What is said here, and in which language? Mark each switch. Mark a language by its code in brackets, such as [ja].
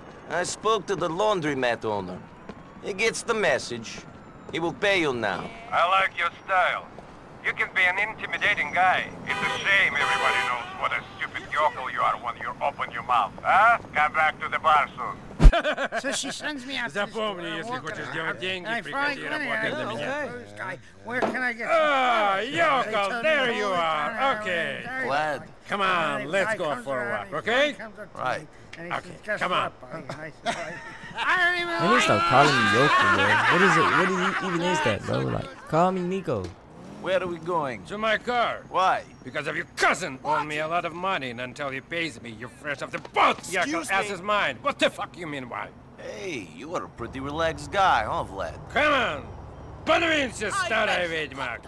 [en] I spoke to the laundromat owner. He gets the message. He will pay you now. I like your style. You can be an intimidating guy. It's a shame everybody knows what a stupid yokel you are when you open your mouth, huh? Come back to the bar soon. So she sends me out to [ru] Запомни, [en] the store, [ru] если хочешь сделать деньги, приходи работать за меня. [en] Where can I get Yokel, there you are. Okay. Vlad. Come on, let's go for a walk, okay? Right. Okay, come on. I don't even like you. Stop calling me Yokel, bro. What is it? What is it, even is that, bro? Like, call me Niko. Where are we going? To my car. Why? Because of your cousin owed me a lot of money, and until he pays me, you're fresh off the boat! Excuse me? Ass is mine. What the fuck you mean, why? Hey, you are a pretty relaxed guy, huh, Vlad? Come on! [ru] Подвинься, старая ведьма!